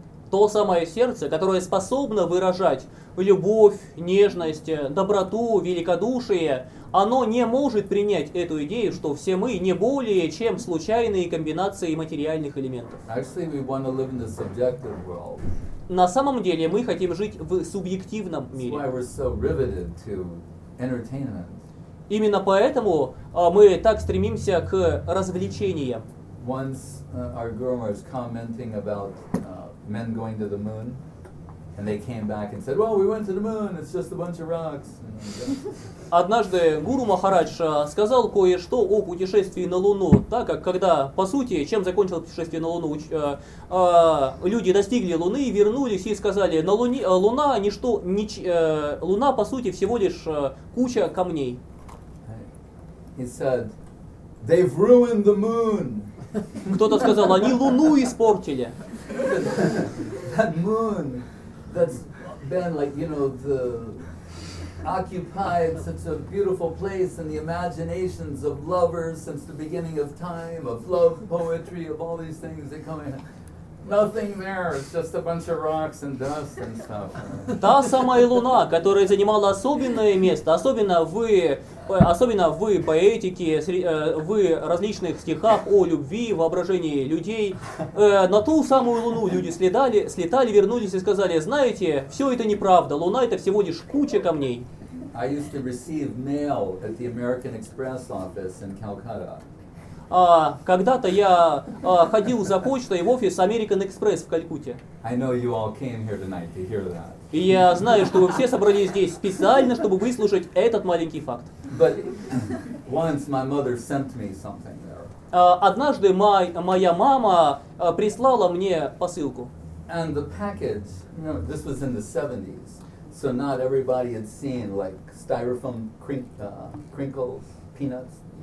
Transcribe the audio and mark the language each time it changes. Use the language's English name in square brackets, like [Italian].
[Russian] То самое сердце, которое способно выражать любовь, нежность, доброту, великодушие, оно не может принять эту идею, что все мы не более чем случайные комбинации материальных элементов. [English] Actually, we want to live in the subjective world. [Russian] На самом деле мы хотим жить в субъективном мире. [English] That's why we're so riveted to entertainment. [Russian] Именно поэтому мы так стремимся к развлечениям. [English] Once our girl was commenting about men going to the moon, and they came back and said, "Well, we went to the moon. It's just a bunch of rocks." [Russian] Однажды Гуру Махарадж сказал кое-что о путешествии на Луну, так как когда, по сути, чем закончилось путешествие на Луну, люди достигли Луны и вернулись и сказали, на Луне Луна ничто, Луна по сути всего лишь куча камней. [English] He said, "They've ruined the moon." [Russian] Кто-то сказал, они Луну испортили. [English] That moon that's been like, you know, the occupied such a beautiful place in the imaginations of lovers since the beginning of time, of love poetry, of all these things that come in. Nothing there, it's just a bunch of rocks and dust and stuff. [Russian] Та самая луна, которая занимала особенное место, особенно в поэтике, в различных стихах о любви, воображении людей, на ту самую луну люди слетали, вернулись и сказали, знаете, все это неправда, луна это всего лишь куча камней. [English] I used to receive mail at the American Express office in Calcutta. [Russian] Когда-то я ходил за почтой в офис American Express в Калькутте. [English] I know you all came here tonight to hear that. [Russian] И я знаю, что вы все собрались здесь специально, чтобы выслушать этот маленький факт. [English] But once my mother sent me something there. [Russian] Однажды моя мама прислала мне посылку. [English] And the package, you know, this was in the 70s, so not everybody had seen like styrofoam crinkles, peanuts.